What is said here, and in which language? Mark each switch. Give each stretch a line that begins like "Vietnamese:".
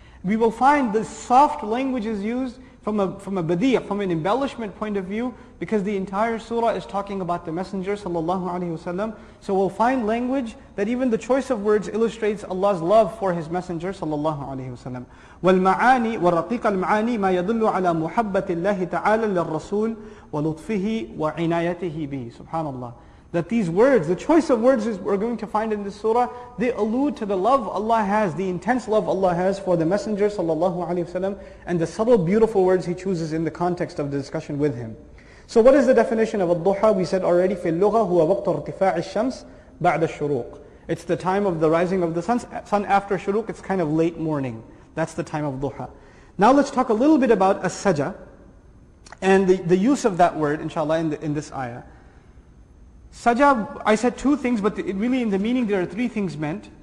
English: We will find the soft language is used from a badi', from an embellishment point of view, because the entire surah is talking about the Messenger sallallahu alaihi wasallam. So we'll find language that even the choice of words illustrates Allah's love for His Messenger sallallahu alaihi wasallam.
Arabic: والمعاني ورقيق المعاني ما يدل على محبة الله تعالى للرسول ولطفه وعنايته به. Subhanallah.
English: That these words, the choice of words we're going to find in this surah, they allude to the love Allah has, the intense love Allah has for the Messenger sallallahu alaihi wasallam, and the subtle beautiful words he chooses in the context of the discussion with him. So what is the definition of al-duha? We said already,
Arabic: في اللغة هو وقت ارتفاع الشمس بعد الشروق.
English: It's the time of the rising of the sun after shuruq, it's kind of late morning. That's the time of duha. Now let's talk a little bit about as-saja, and the use of that word, inshallah, in this ayah. Sajda, I said two things, but really in the meaning there are three things meant.